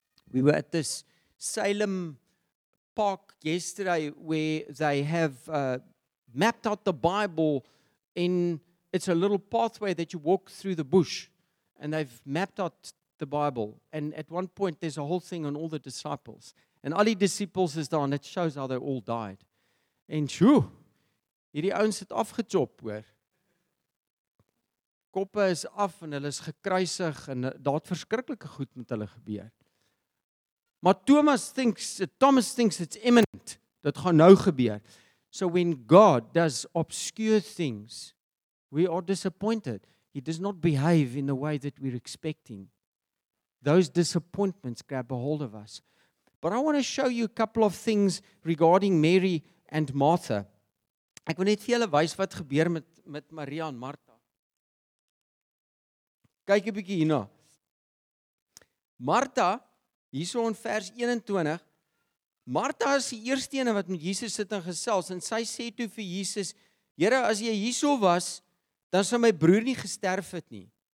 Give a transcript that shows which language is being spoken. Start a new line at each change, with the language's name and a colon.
English: We were at this Salem Park yesterday, where they have mapped out the Bible in, it's a little pathway that you walk through the bush, and they've mapped out the Bible, and at one point there's a whole thing on all the disciples, and all the disciples is there, and it shows how they all died.
Afrikaans: En sjoe, hierdie ouens het afgechop, hoor. Koppe is af en hulle is gekruisig en daar het verskriklike goed met hulle gebeur. Maar
English: Thomas thinks it's imminent,
Afrikaans: dit gaan nou gebeur.
English: So when God does obscure things, we are disappointed. He does not behave in the way that we're expecting. Those disappointments grab a hold of us. But I want to show you a couple of things regarding Mary and Martha.
Afrikaans: Ek wil net vir julle wys wat gebeur met Maria en Martha. Kyk 'n bietjie hierna. Martha, hierso in vers 21, Martha is die eerste een wat met Jesus sit en gesels, en sy sê toe vir Jesus, Here, as jy hierso was, dan sou my broer nie gesterf het nie.